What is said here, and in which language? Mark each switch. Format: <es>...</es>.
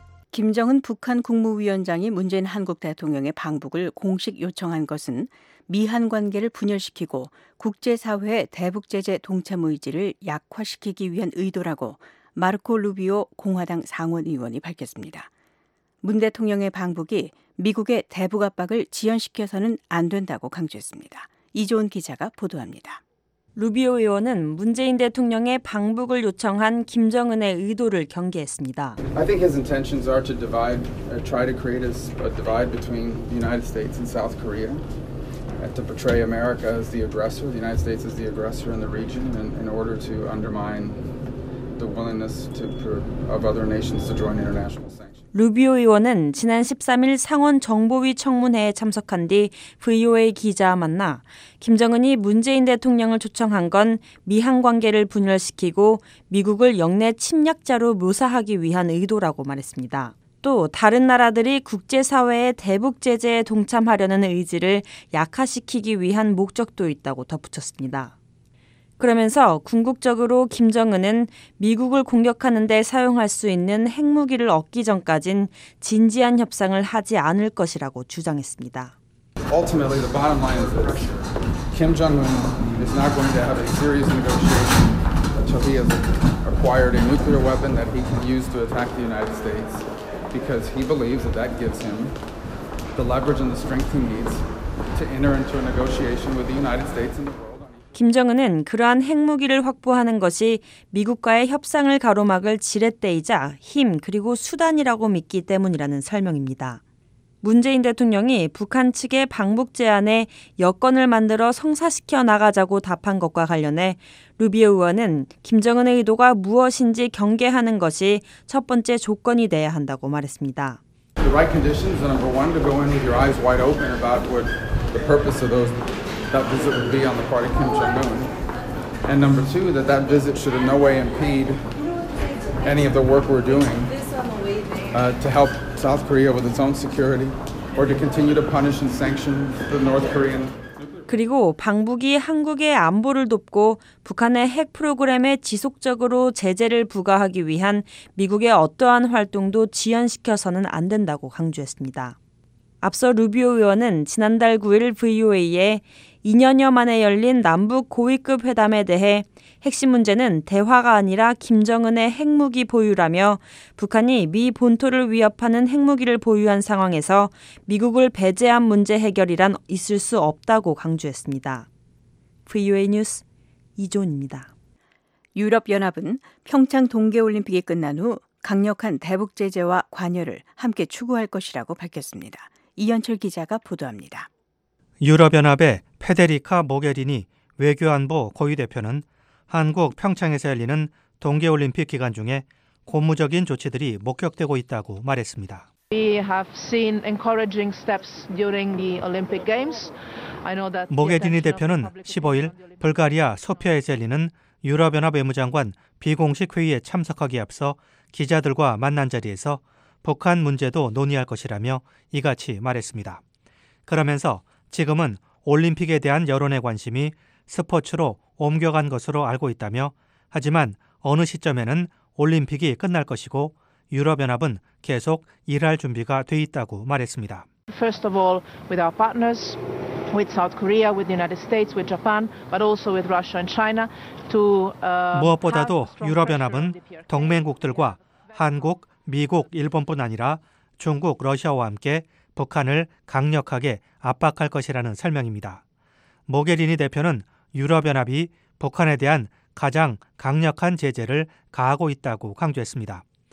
<ko>김정은 북한 국무위원장이 문재인 한국 대통령의 방북을 공식 요청한 것은 미한 관계를 분열시키고 국제사회의 대북제재 동참의 지를 약화시키기 위한 의도라고 마르코 루비오 공화당 상원의원이 밝혔습니다. 문 대통령의 방북이 미국의 대북 압박을 지연시켜서는 안 된다고 강조했습니다. 이조은 기자가 보도합니다. 루비오 의원은 문재인 대통령의 방북을 요청한 김정은의 의도를 경계했습니다.</ko> <en>I think his intentions are to divide, try to create a divide between the United States and South Korea, and to portray America as the aggressor, the United States as the aggressor in the region, and in order to undermine the willingness to, of other nations to join international sanctions.</en> <ko>루비오 의원은 지난 13일 상원 정보위 청문회에 참석한 뒤 VOA 기자와 만나 김정은이 문재인 대통령을 초청한 건 미한 관계를 분열시키고 미국을 영내 침략자로 묘사하기 위한 의도라고 말했습니다. 또 다른 나라들이 국제사회의 대북 제재에 동참하려는 의지를 약화시키기 위한 목적도 있다고 덧붙였습니다. 그러면서 궁극적으로 김정은은 미국을 공격하는 데 사용할 수 있는 핵무기를 얻기 전까진 진지한 협상을 하지 않을 것이라고 주장했습니다.</ko> <en>Ultimately, the bottom line is that Kim Jong-un is not going to have a serious negotiation until he has acquired a nuclear weapon that he can use to attack the United States, because he believes that that gives him the leverage and the strength he needs to enter into a negotiation with the United States and the world.</en> <ko>김정은은 그러한 핵무기를 확보하는 것이 미국과의 협상을 가로막을 지렛대이자 힘 그리고 수단이라고 믿기 때문이라는 설명입니다. 문재인 대통령이 북한 측의 방북 제안에 여건을 만들어 성사시켜 나가자고 답한 것과 관련해 루비오 의원은 김정은의 의도가 무엇인지 경계하는 것이 첫 번째 조건이 돼야 한다고 말했습니다.</ko> <en>The right conditions are number one to go in with your eyes wide open about what the purpose of those that visit would be on the part of Kim Jong-un. And number two, that that visit should in no way impede any of the work we're doing to help South Korea with its own security or to continue to punish and sanction the North Korean.</en> <ko>그리고 방북이 한국의 안보를 돕고 북한의 핵 프로그램에 지속적으로 제재를 부과하기 위한 미국의 어떠한 활동도 지연시켜서는 안 된다고 강조했습니다. 앞서 루비오 의원은 지난달 9일 VOA에 2년여 만에 열린 남북 고위급 회담에 대해 핵심 문제는 대화가 아니라 김정은의 핵무기 보유라며 북한이 미 본토를 위협하는 핵무기를 보유한 상황에서 미국을 배제한 문제 해결이란 있을 수 없다고 강조했습니다. VOA 뉴스 이존입니다. 유럽연합은 평창 동계올림픽이 끝난 후 강력한 대북 제재와 관여를 함께 추구할 것이라고 밝혔습니다. 이현철 기자가 보도합니다. 유럽연합의 페데리카 모게리니 외교안보 고위대표는 한국 평창에서 열리는 동계올림픽 기간 중에 고무적인 조치들이 목격되고 있다고 말했습니다.</ko> <en>We have seen encouraging steps during the Olympic Games. I know that</en> <ko>모게리니 대표는 15일 불가리아 소피아에서 열리는 유럽연합 외무장관 비공식 회의에 참석하기에 앞서 기자들과 만난 자리에서 북한 문제도 논의할 것이라며 이같이 말했습니다. 그러면서 지금은 올림픽에 대한 여론의 관심이 스포츠로 옮겨간 것으로 알고 있다며 하지만 어느 시점에는 올림픽이 끝날 것이고 유럽연합은 계속 일할 준비가 돼 있다고 말했습니다.</ko> <en>First of all, with our partners, with South Korea, with the United States, with Japan, but also with Russia and China to</en> <ko>무엇보다도 유럽연합은 동맹국들과 한국, 미국, 일본뿐 아니라 중국, 러시아와 함께 북한을 강력하게 압박할 것이라는 설명입니다. 모게리니 대표는 유럽연합이 북한에 대한 가장 강력한 제재를 가하고 있다고 강조했습니다.</ko>